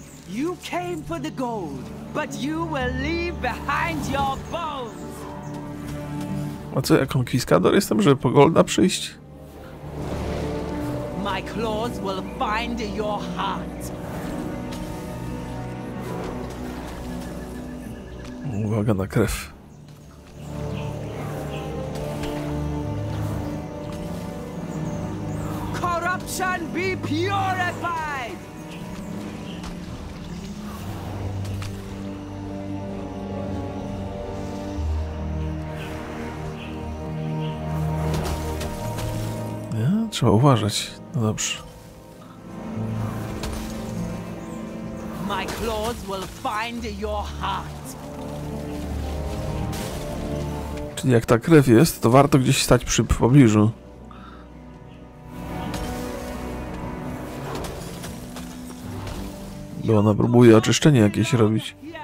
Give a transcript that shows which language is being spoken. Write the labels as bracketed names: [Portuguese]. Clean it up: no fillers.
[English] You came for the gold, but you will leave behind your bones. [Polish] A co, ja konkwiskador jestem, żeby po golda przyjść? [English] My claws will find your heart. [Polish] Uwaga na krew. [English] Corruption be purified. [Polish] Nie? Trzeba uważać. No dobrze. [English] My claws will find your heart. [Polish] Czyli jak ta krew jest, to warto gdzieś stać przy pobliżu. Bo ona próbuje oczyszczenie jakieś robić.